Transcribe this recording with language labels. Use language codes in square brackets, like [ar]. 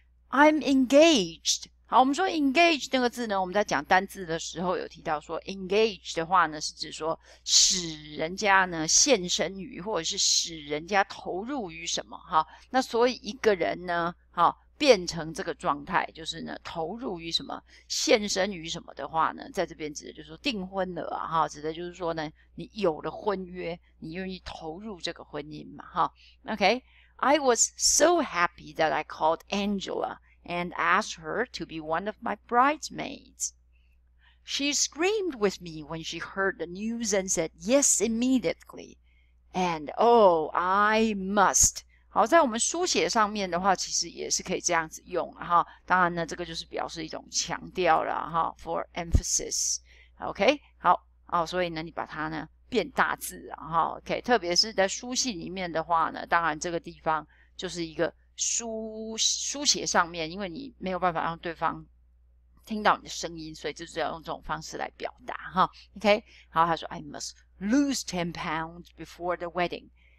[en] I'm engaged， [zh] 好，我们说 engage 那个字呢，我们在讲单字的时候有提到说 engage 的话呢，是指说使人家呢献身于，或者是使人家投入于什么哈。那所以一个人呢，哈，变成这个状态，就是呢投入于什么，献身于什么的话呢，在这边指的就是说订婚了啊，哈，指的就是说呢，你有了婚约，你愿意投入这个婚姻嘛，哈。 [en] OK，I was so happy that I called Angela and asked her to be one of my bridesmaids. She screamed with me when she heard the news and said yes immediately. And oh, I must. [zh] 好，在我们书写上面的话，其实也是可以这样子用哈。当然呢，这个就是表示一种强调了哈， [en] for emphasis. [zh] OK，好哦，所以呢，你把它呢变大字啊哈。 OK，特别是在书信里面的话呢，当然这个地方就是一个。书写上面，因为你没有办法让对方听到你的声音，所以就是要用这种方式来表达哈。 [en] OK， [zh] 好，他说 [en] "I must lose 10 pounds before the wedding.